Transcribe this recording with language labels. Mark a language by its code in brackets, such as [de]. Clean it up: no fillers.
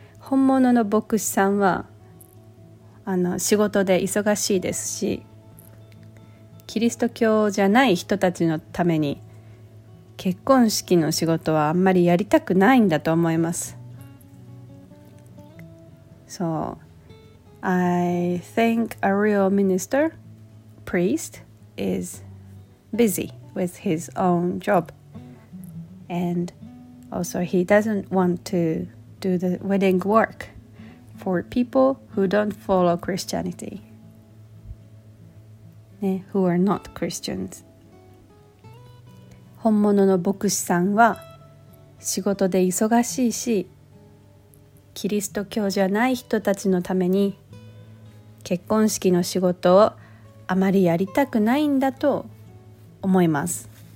[ja] 本物の牧師さんは仕事で忙しいですし、キリスト教じゃない人たちのために結婚式の仕事はあんまりやりたくないんだと思います。 [en] そう、I think a real minister, priest, is busy with his own job. And also he doesn't want to do the wedding work for people who don't follow Christianity.、ね、who are not Christians. [ja] 本物の牧師さんは仕事で忙しいし、キリスト教じゃない人たちのために結婚式の仕事をあまりやりたくないんだと思います。